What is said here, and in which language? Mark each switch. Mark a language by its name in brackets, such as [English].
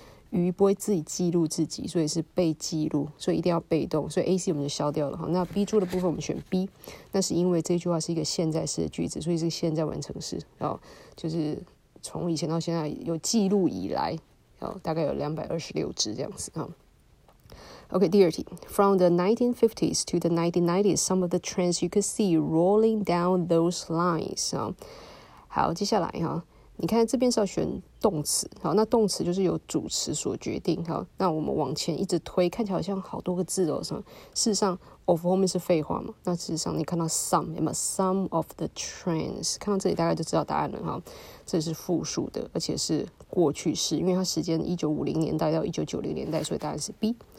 [Chinese] 鱼不会自己记录自己，所以是被记录，所以一定要被动。所以 AC 我们就消掉了。那 B 柱的部分我们选 B， 那是因为这句话是一个现在式的句子，所以是现在完成式。就是从以前到现在有记录以来，大概有226只这样子。 OK, 第二题。 [English] From the 1950s to the 1990s, some of the trends you could see rolling down those lines. [Chinese] 好，接下来。你看这边是要选动词，好，那动词就是由主词所决定，好，那我们往前一直推，看起来好像好多个字哦，什么？事实上 ，of 后面是废话嘛？那事实上，你看到 some， 有没有 some of the trends？看到这里大概就知道答案了哈。这是复数的，而且是过去式，因为它时间1950年代到1990年代，所以答案是 B。